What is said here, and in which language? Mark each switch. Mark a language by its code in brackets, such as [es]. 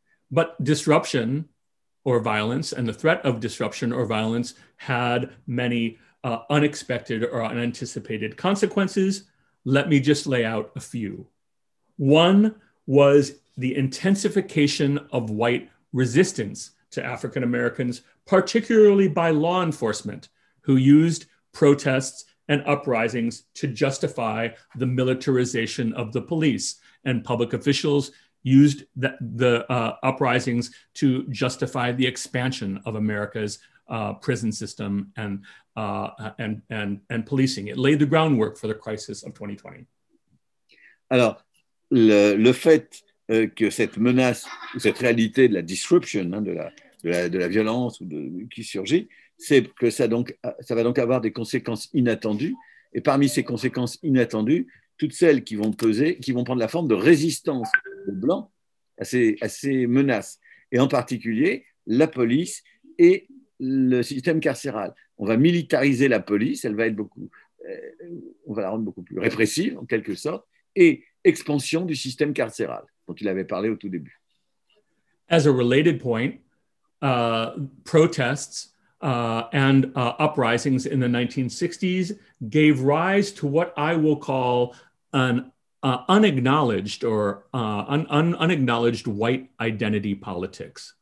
[en] But disruption or violence and the threat of disruption or violence had many unexpected or unanticipated consequences. Let me just lay out a few. One was the intensification of white resistance to African Americans, particularly by law enforcement, who used protests and uprisings to justify the militarization of the police and public officials used the uprisings to justify the expansion of America's prison system and policing. It laid the groundwork for the crisis of 2020. [fr] Alors, le fait que cette menace, cette réalité de la disruption, hein, de la violence qui surgit, c'est que ça va donc avoir des conséquences inattendues. Et parmi ces conséquences inattendues, toutes celles qui vont peser, qui vont prendre la forme de résistance aux blancs à ces menaces, et en particulier la police et le système carcéral. On va militariser la police, elle va être beaucoup, on va la rendre beaucoup plus répressive en quelque sorte, et expansion du système carcéral dont il avait parlé au tout début. [en] As a related point, protests and uprisings in the 1960s gave rise to what I will call an unacknowledged or unacknowledged white identity politics.